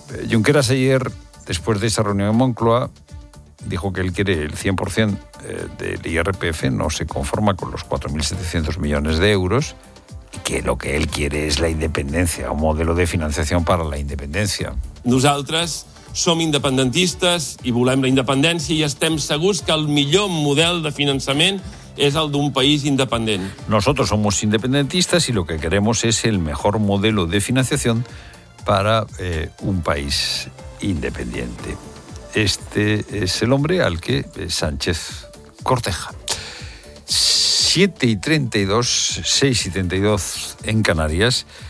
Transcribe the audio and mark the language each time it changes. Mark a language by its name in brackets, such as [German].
[Spanish] Junqueras ayer, después de esa reunión en Moncloa, dijo que él quiere el 100% del IRPF, no se conforma con los 4.700 millones de euros, que lo que él quiere es la independencia, un modelo de financiación para la independencia. [Catalan] Nosaltres som independentistes i volem la independència i estem segurs que el millor model de finançament és el d'un país independent. [Spanish] Nosotros somos independentistas y lo que queremos es el mejor modelo de financiación para un país independiente. Este es el hombre al que Sánchez corteja. 7:32, 6:32 en Canarias.